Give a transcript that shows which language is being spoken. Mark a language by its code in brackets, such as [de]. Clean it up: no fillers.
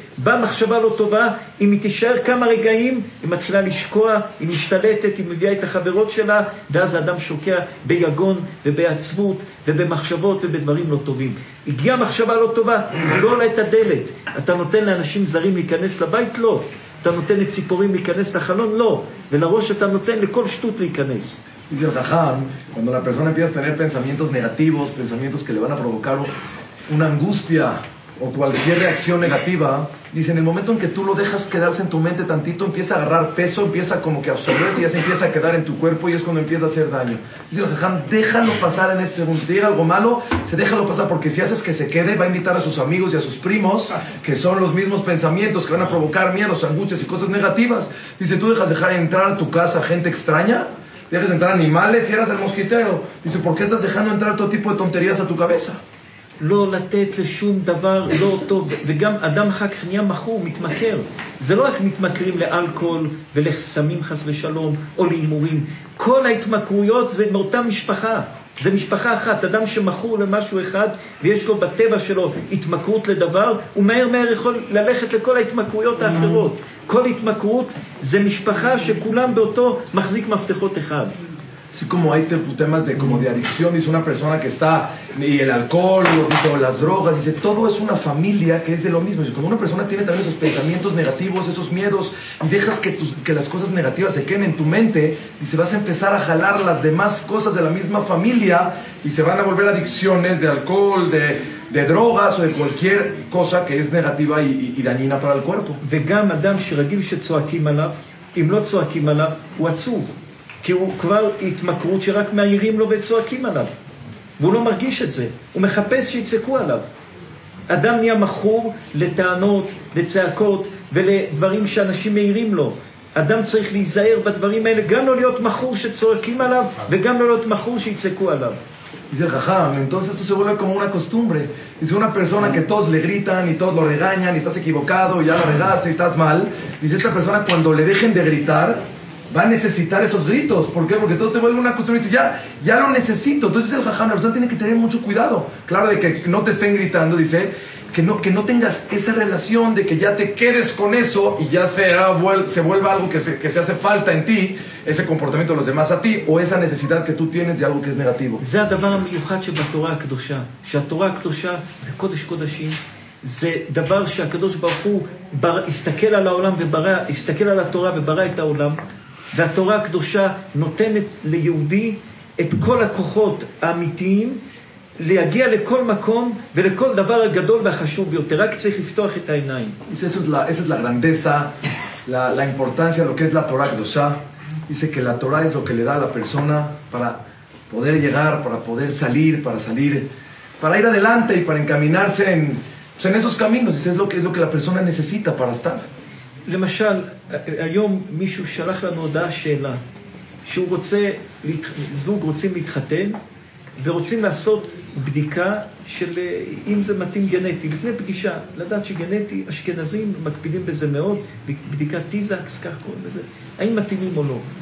[he] בא מחשבה לא טובה, אם היא תישאר כמה רגעים, היא מתחילה לשקוע, היא משתלטת, היא מביאה את החברות שלה, ואז האדם שוקע ביגון ובעצבות ובמחשבות ובדברים לא טובים. הגיעה מחשבה לא טובה, תסגור לה את הדלת. אתה נותן לאנשים זרים להיכנס לבית? לא. אתה נותן לציפורים להיכנס לחלון? לא. ולראש אתה נותן לכל שטות להיכנס. [es] Dice el Jajam, cuando la persona empieza a tener pensamientos negativos, pensamientos que le van a provocar una angustia o cualquier reacción negativa, dice, en el momento en que tú lo dejas quedarse en tu mente tantito, empieza a agarrar peso, empieza como que absorberse y ya se empieza a quedar en tu cuerpo y es cuando empieza a hacer daño. Dice el Jajam, déjalo pasar en ese segundo. Te llega algo malo, se déjalo pasar, porque si haces que se quede, va a invitar a sus amigos y a sus primos, que son los mismos pensamientos que van a provocar miedos, angustias y cosas negativas. Dice, tú dejas dejar entrar a tu casa gente extraña, dejas entrar animales y eras el mosquitero. Dice, ¿por qué estás dejando entrar todo tipo de tonterías a tu cabeza? [he] לא לתת לשום דבר לא טוב, וגם אדם אחר כך נהיה מחור, מתמכר. זה לא רק מתמכרים לאלכוהול ולסמים חס ושלום או לאימורים. כל ההתמכרויות זה מאותה משפחה. זה משפחה אחת. אדם שמחור למשהו אחד ויש לו בטבע שלו התמכרות לדבר, הוא מהר מהר יכול ללכת לכל ההתמכרויות האחרות. כל התמכרות זה משפחה שכולם באותו מחזיק מפתחות אחד. [es] Así como hay temas de, como de adicción, dice una persona que está, y el alcohol, o las drogas, dice, todo es una familia que es de lo mismo. Dice, cuando una persona tiene también esos pensamientos negativos, esos miedos, y dejas que, que las cosas negativas se queden en tu mente, y se vas a empezar a jalar las demás cosas de la misma familia, y se van a volver adicciones de alcohol, de drogas, o de cualquier cosa que es negativa y dañina para el cuerpo. [he] וגם אדם שרגיל שצועקים עליו, אם לא צועקים עליו, הוא עצוב. כי הוא כבר התמכרות שרק מהירים לו וצועקים עליו. והוא לא מרגיש את זה. הוא מחפש שיצעקו עליו. אדם נהיה מכור לטענות, לצעקות, ולדברים שאנשים מהירים לו. אדם צריך להיזהר בדברים האלה, גם לא להיות מכור שצועקים עליו, וגם לא להיות מכור שיצעקו עליו. [es] Dice el jajam, entonces eso se vuelve como una costumbre. Dice una persona que todos le gritan y todos lo regañan y estás equivocado y ya lo regaste y estás mal. Dice esta persona, cuando le dejen de gritar, va a necesitar esos gritos. ¿Por qué? Porque todo se vuelve una costumbre y dice, ya lo necesito. Entonces el jajam, la persona tiene que tener mucho cuidado. Claro, de que no te estén gritando, dice, que no tengas esa relación de que ya te quedes con eso y ya se vuelva algo que se hace falta en ti, ese comportamiento de los demás a ti, o esa necesidad que tú tienes de algo que es negativo. [he] זה הדבר המיוחד שבתורה הקדושה, שהתורה הקדושה זה קודש קודשים, זה דבר שהקדוש ברוך הוא הסתכל על העולם וברא, הסתכל על התורה וברא את העולם, והתורה הקדושה נותנת ליהודי את כל הכוחות האמיתיים להגיע לכל מקום ולכל דבר הגדול והחשוב ביותר, רק צריך לפתוח את העיניים. [es] Dice, eso es la grandeza, la importancia de lo que es la Torah Kedoshah. Dice que la Torah es lo que le da a la persona para poder llegar, para poder salir, para ir adelante y para encaminarse en esos caminos. Dice, es lo que la persona necesita para estar. [he] למשל, היום מישהו שלח לנו הודעה שאלה, שהוא רוצה, זוג רוצים להתחתן, ורוצים לעשות בדיקה של אם זה מתאים גנטי. לפני פגישה, לדעת שגנטי, אשכנזים מקפידים בזה מאוד, בדיקה טיזקס, כך קוראים בזה, האם מתאימים או לא.